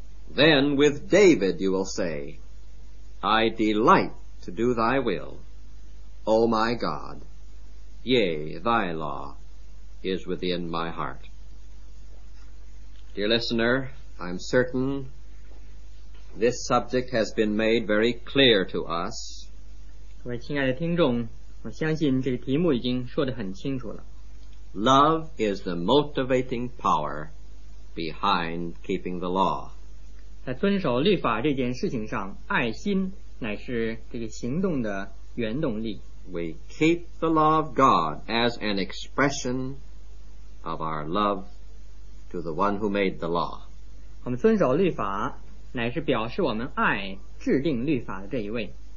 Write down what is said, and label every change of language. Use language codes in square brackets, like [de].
[en] Then with David you will say, 'I delight to do thy will, O my God. Yea, thy law is within my heart.'" Dear listener, I'm certain this subject has been made very clear to us. [zh] 各位亲爱的听众, 我相信这个题目已经说得很清楚了。 [en] Love is the motivating power behind keeping the law. [zh] 在遵守律法这件事情上, 爱心乃是这个行动的原动力。 [en] We keep the law of God as an expression of our love to the one who made the law. [zh] 我们遵守律法乃是表示我们爱制定律法的这一位。